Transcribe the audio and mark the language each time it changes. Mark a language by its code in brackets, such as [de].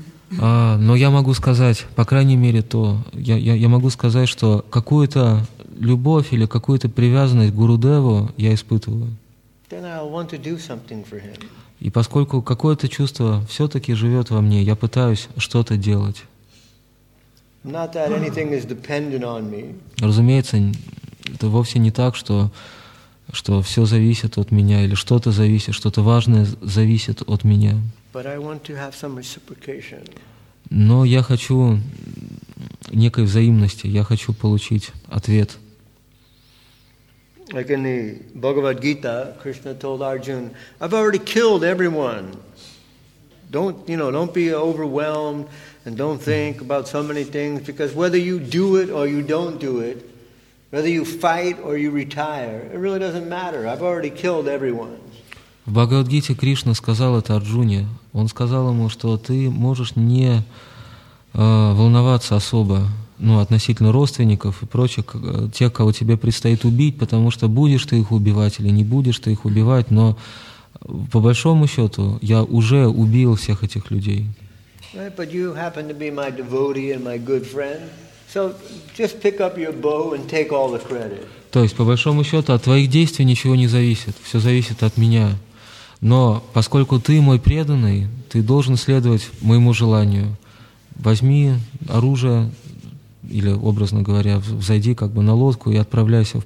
[ru] Но я могу сказать, по крайней мере, то, я могу сказать, что какую-то любовь или какую-то привязанность к Гурудеву я испытываю. [en] Then I want to do something for him. [ru] И поскольку какое-то чувство все-таки живет во мне, я пытаюсь что-то делать. [en] Not that anything is dependent on me. [ru] Разумеется, это вовсе не так, что все зависит от меня или что-то зависит, что-то важное зависит от меня. [en] But I want to have some reciprocation. [ru] Но я хочу некой взаимности, я хочу получить ответ. [en] Like in the Bhagavad Gita, Krishna told Arjuna, I've already killed everyone. Don't be overwhelmed and don't think about so many things, because whether you do it or you don't do it, whether you fight or you retire, it really doesn't matter. I've already killed everyone. [ru] В Бхагавад-гите Кришна сказал это Арджуне. Он сказал ему, что ты можешь не волноваться особо, ну, относительно родственников и прочих, тех, кого тебе предстоит убить, потому что будешь ты их убивать или не будешь ты их убивать, но по большому счету я уже убил всех этих людей. [en] Right, but you happen to be my devotee and my good friend, so just pick up your bow and take all the credit. [ru] То есть, по большому счету, от твоих действий ничего не зависит, все зависит от меня. Но поскольку ты мой преданный, ты должен следовать моему желанию. Возьми оружие, или, образно говоря, взойди как бы на лодку и отправляйся в